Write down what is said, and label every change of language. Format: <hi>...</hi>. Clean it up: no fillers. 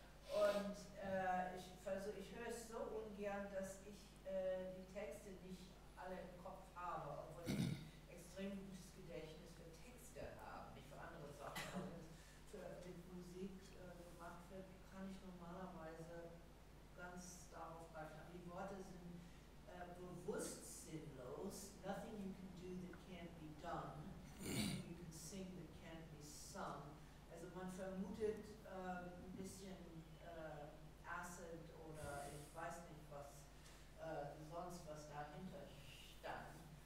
<de>Und ich höre es so ungern, dass ich die Texte nicht alle im Kopf habe, obwohl ich extrem gutes Gedächtnis für Texte habe, nicht für andere Sachen. Aber wenn es mit Musik gemacht wird, kann ich normalerweise ganz darauf greifen. Die Worte sind bewusst sinnlos.</de> <en>Nothing you can do that can't be done. Nothing you can sing that can't be sung.</en> <de>Also man vermutet ein bisschen Acid oder ich weiß nicht was, sonst was dahinter stand.</de>